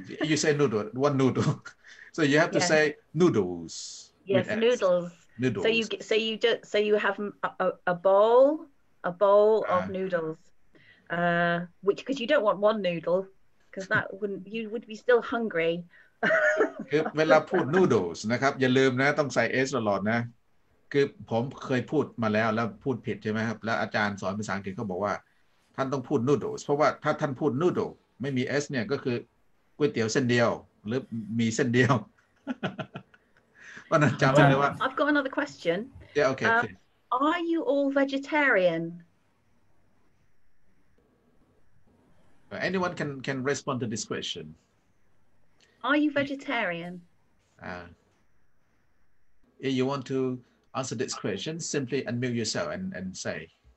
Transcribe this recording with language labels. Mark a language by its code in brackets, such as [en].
[en] You say noodle, one noodle. So you have to say noodles. Yes, noodles. So you have a bowl of noodles, which, because you don't want one noodle, because that wouldn't, you would be still hungry. [th] คือเวลาพูด noodles นะครับอย่าลืมนะต้องใส่ s ตลอดนะคือผมเคยพูดมาแล้วแล้วพูดผิดใช่ไหมครับแล้วอาจารย์สอนภาษาอังกฤษเขาบอกว่าท่านต้องพูด noodles เพราะว่าถ้าท่านพูด noodle ไม่มี s เนี่ยก็คือก๋วยเตี๋ยวเส้นเดียวหรือมีเส้นเดียวว่านะจำไว้เลยว่า [en] I've got another question Yeah okay Are you all vegetarian Anyone can respond to this question Are you vegetarian? If you want to answer this question, simply unmute yourself and say.